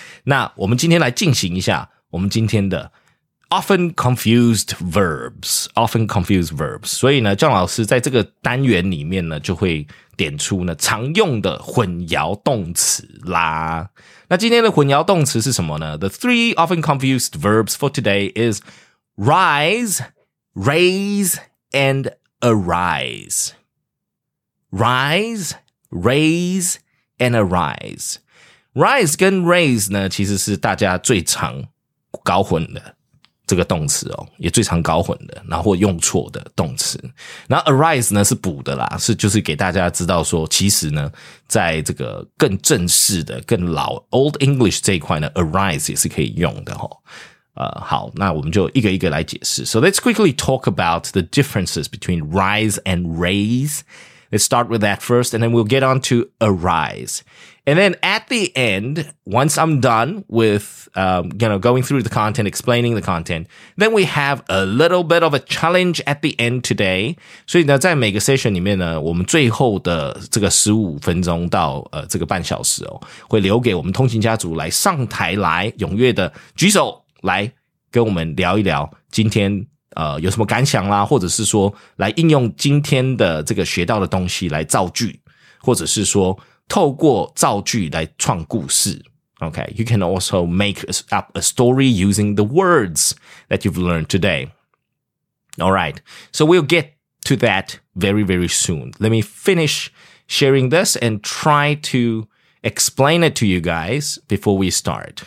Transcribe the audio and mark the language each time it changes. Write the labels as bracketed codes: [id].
[zh] 那我们今天来进行一下我们今天的 often confused verbs, often confused verbs. 所以呢姜老师在这个单元里面呢就会点出呢常用的混淆动词啦。那今天的混淆动词是什么呢？ [en] The three often confused verbs for today is rise, raise, and arise. Rise, raise,and arise. [zh] Rise 跟 raise 呢其实是大家最常搞混的这个动词哦，也最常搞混的然后用错的动词。那 arise 呢是补的啦，是就是给大家知道说其实呢在这个更正式的更老 old English 这一块呢 arise 也是可以用的哦。好，那我们就一个一个来解释。 [en] So let's quickly talk about the differences between rise and raiseLet's start with that first, and then we'll get on to arise. And then at the end, once I'm done with, you know, going through the content, explaining the content, then we have a little bit of a challenge at the end today. [zh] 所以呢，在每个 session 里面呢，我们最后的这个15分钟到这个半小时哦，会留给我们通勤家族来上台来踊跃的举手来跟我们聊一聊今天有什么感想啦，或者是说来应用今天的这个学到的东西来造句，或者是说透过造句来创故事。 [en] OK, you can also make up a story using the words that you've learned today. Alright, so we'll get to that very very soon. Let me finish sharing this and try to explain it to you guys before we start.